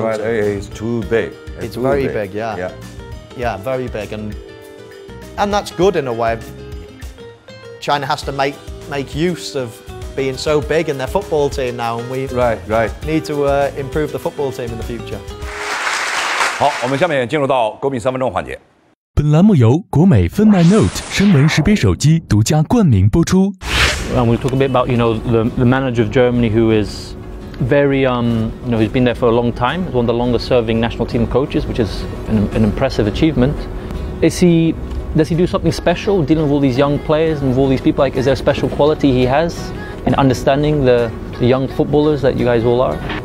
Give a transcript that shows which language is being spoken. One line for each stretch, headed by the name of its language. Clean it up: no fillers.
English: to. It's too big. It's too very big, yeah. Yeah, very big. And that's good in a way. China has to make use of being so big in their football team now. And we need to improve the football team in the future.
Chinese: 好，我们下面进入到国米三分钟环节。本栏目由国美分麦 Note 声纹识别手机独家冠名播出。
English: And we talk a bit about, you know, the manager of Germany who is very, you know, he's been there for a long time, one of the longest serving national team coaches, which is an impressive achievement. Does he do something special dealing with all these young players and with all these people? Like, is there a special quality he has in understanding the young footballers that you guys all are?